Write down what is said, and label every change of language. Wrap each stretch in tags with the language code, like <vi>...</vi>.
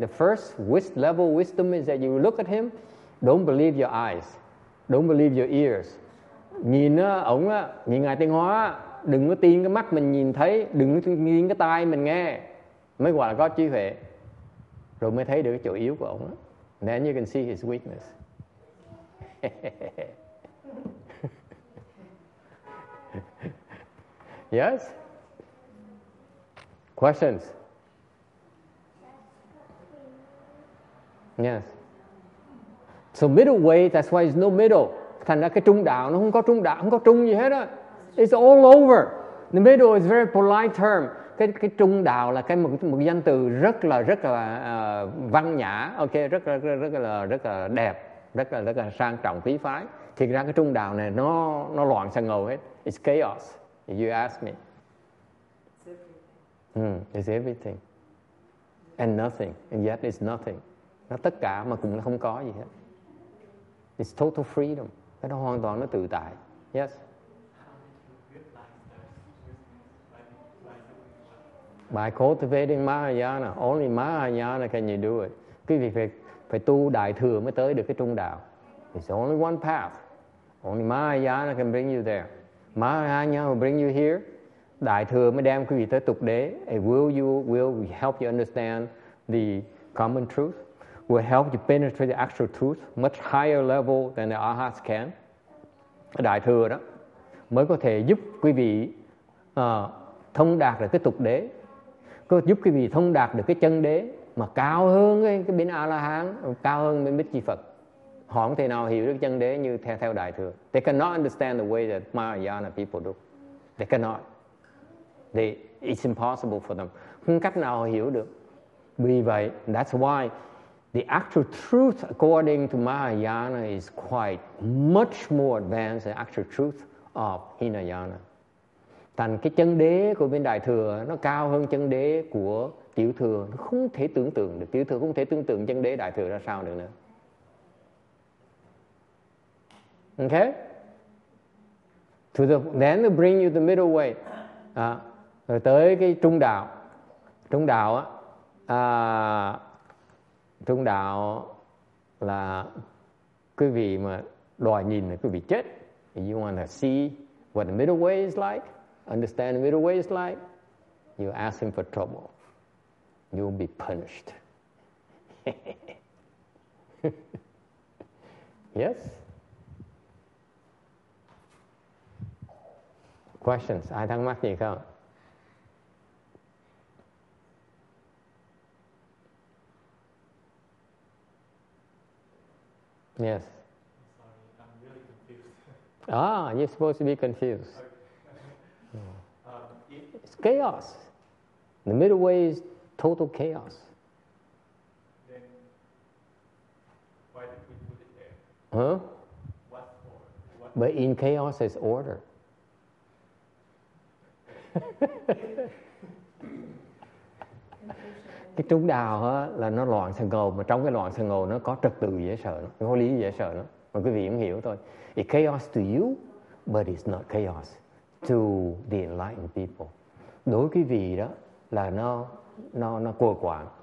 <en>The first level wisdom is that you look at him. Don't believe your eyes. Don't believe your ears.</en> <vi>Nhìn ổng á, nhìn ngài Tiên Hóa, đừng có tin cái mắt mình nhìn thấy, đừng có tin cái tai mình nghe. Mới gọi là có trí huệ. Rồi mới thấy được cái chỗ yếu của ổng.</vi> <en>Then you can see his weakness. Yes? Questions? Yes. So middle way, that's why there's no middle.</en> <vi>Thành ra cái trung đạo, nó không có trung đạo, không có trung gì hết á.</vi> <en>It's all over. The middle is a very polite term.</en> <vi>Cái trung đạo là cái một danh từ rất là văn nhã. Ok, rất là đẹp, rất là sang trọng, quý phái. Thiệt ra cái trung đạo này nó loạn sang ngầu hết.</vi> <en>It's chaos, if you ask me. It's everything and nothing, and yet it's nothing.</en> <vi>Nó tất cả mà cũng không có gì hết.</vi> <en>It's total freedom.</en> <vi>Cái đó hoàn toàn nó tự tại.</vi> <en>Yes. By cultivating Mahayana, only Mahayana can you do it.</en> <vi>Quý vị phải tu Đại Thừa mới tới được cái trung đạo.</vi> <en>It's only one path. Only Mahayana can bring you there. Mahayana will bring you here.</en> <vi>Đại Thừa mới đem quý vị tới tục đế.</vi> <en>Will help you understand the common truth? will help you penetrate the actual truth much higher level than the arhats can.</en> <vi>Đại thừa đó mới có thể giúp quý vị thông đạt được cái tục đế, có giúp quý vị thông đạt được cái chân đế mà cao hơn cái bên A-la-hán, cao hơn bên Bích Chi Phật. Họ không thể nào hiểu được chân đế như theo đại thừa.</vi> <en>They cannot understand the way that Mahayana people do. They cannot. It's impossible for them.</en> <vi>Không cách nào họ hiểu được. Vì vậy,</vi> <en>that's why the actual truth according to Mahayana is quite much more advanced than the actual truth of Hinayana.</en> <vi>Thành cái chân đế của bên đại thừa nó cao hơn chân đế của tiểu thừa. Nó không thể tưởng tượng được. Tiểu thừa không thể tưởng tượng chân đế đại thừa ra sao được nữa.</vi> <en>Okay? Then they bring you the middle way.</en> <vi>Rồi tới cái trung đạo. Trung đạo á. Trung đạo là quý vị mà đòi nhìn là quý vị chết.</vi> <en>You want to see what the middle way is like. Understand the middle way is like. You ask him for trouble. You'll be punished. Yes? Questions?</en> <vi>Ai thắc mắc gì không?</vi> <en>Yes. Sorry, I'm really confused. You're supposed to be confused. It's chaos. The middle way is total chaos. Then why did we put it there? Huh? What for? But in chaos is order.</en> <vi>Cái trung đạo á, là nó loạn sân ngầu, mà trong cái loạn sân ngầu nó có trật tự dễ sợ, nó lý dễ sợ nó. Mà quý vị cũng hiểu thôi.</vi> <en>It's chaos to you, but it's not chaos to the enlightened people.</en> <vi>Đối với quý vị đó là nó cuồng quạng.</vi>